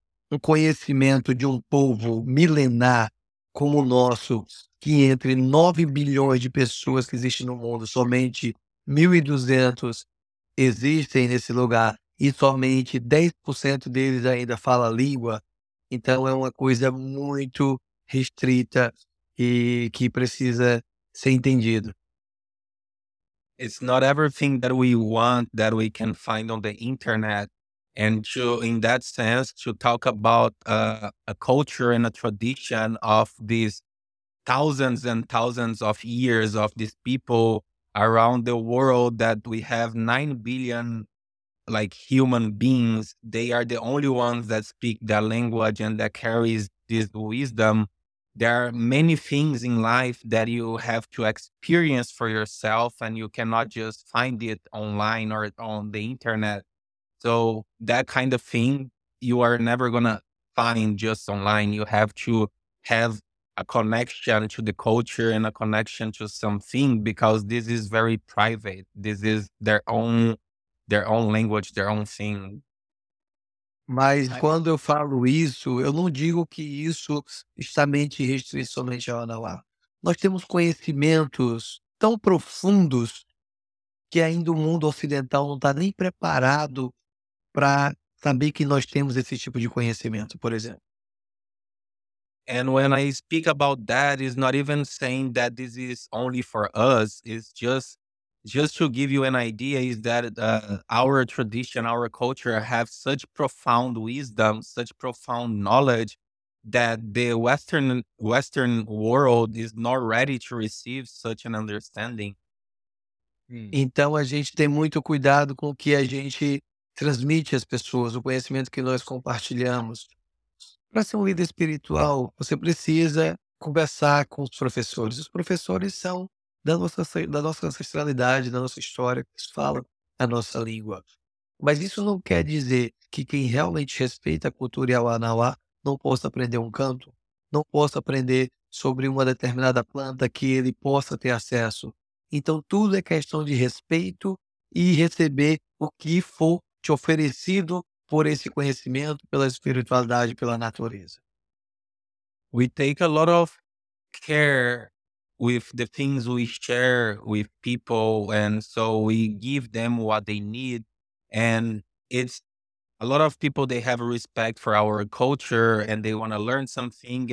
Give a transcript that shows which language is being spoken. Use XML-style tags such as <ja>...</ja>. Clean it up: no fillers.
<pt>O conhecimento de um povo milenar como o nosso, que entre 9 bilhões de pessoas que existem no mundo, somente 1.200 existem nesse lugar e somente 10% deles ainda fala a língua, então é uma coisa muito restrita e que precisa ser entendido.</pt> <en>It's not everything that we want that we can find on the internet. And to, in that sense, to talk about a culture and a tradition of these thousands and thousands of years of these people around the world that we have 9 billion like human beings, they are the only ones that speak that language and that carries this wisdom. There are many things in life that you have to experience for yourself and you cannot just find it online or on the internet. So that kind of thing, you are never gonna find just online. You have to have a connection to the culture and a connection to something because this is very private. This is their own language, their own thing.</en> <pt>Mas quando eu falo isso, eu não digo que isso está mente restrito somente ao Yawanawa. Nós temos conhecimentos tão profundos que ainda o mundo ocidental não está nem preparado para saber que nós temos esse tipo de conhecimento, por exemplo.</pt> <en>And when I speak about that, it's not even saying that this is only for us, it's just to give you an idea is that our tradition, our culture have such profound wisdom, such profound knowledge that the Western world is not ready to receive such an understanding.</en> <pt>Então a gente tem muito cuidado com o que a gente transmite às pessoas, o conhecimento que nós compartilhamos. Para ser um líder espiritual, você precisa conversar com os professores. Os professores são da nossa ancestralidade, da nossa história, que fala a nossa língua. Mas isso não quer dizer que quem realmente respeita a cultura Yawanawa não possa aprender um canto, não possa aprender sobre uma determinada planta que ele possa ter acesso. Então, tudo é questão de respeito e receber o que for te oferecido por esse conhecimento, pela espiritualidade, pela natureza.</pt> <en>We take a lot of care with the things we share with people, and so we give them what they need. And it's a lot of people, they have a respect for our culture and they want to learn something.</en>